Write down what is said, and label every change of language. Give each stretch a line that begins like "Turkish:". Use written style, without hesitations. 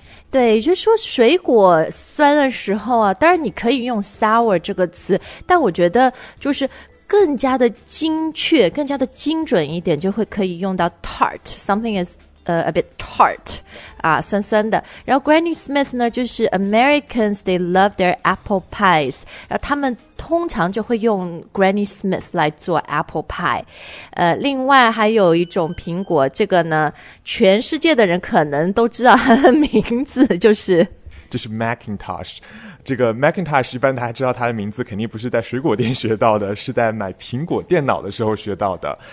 Chinese: 对，就是说水果酸的时候啊，当然你可以用 sour 这个词，但我觉得就是更加的精确，更加的精准一点，就会可以用到 tart,
English: something is a bit tart,
Chinese: 啊，酸酸的。然后 Granny Smith 呢，就是
English: Americans, they love their apple pies,
Chinese: 然后他们通常就会用 Granny Smith 来做 apple pie。另外还有一种苹果，这个呢全世界的人可能都知道它的名字，就是 Macintosh。这个 Macintosh 一般大家知道它的名字肯定不是在水果店学到的，是在买苹果电脑的时候学到的。